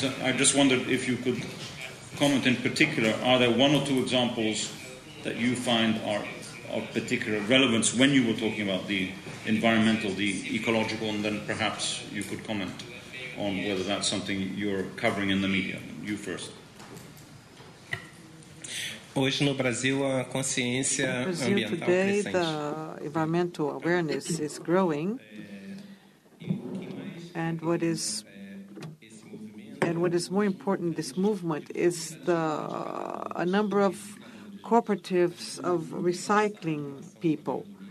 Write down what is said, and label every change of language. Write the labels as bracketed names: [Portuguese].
[English] I just wondered if you could comment in particular, are there one or two examples that you find are of particular relevance when you were talking about the environmental, the ecological, and then perhaps you could comment on whether that's something you're covering in the media. You first. [Portuguese] Hoje no Brasil a consciência ambiental crescente. [English] Today the environmental awareness is growing, and what is more important, this movement is a number of cooperatives of recycling people.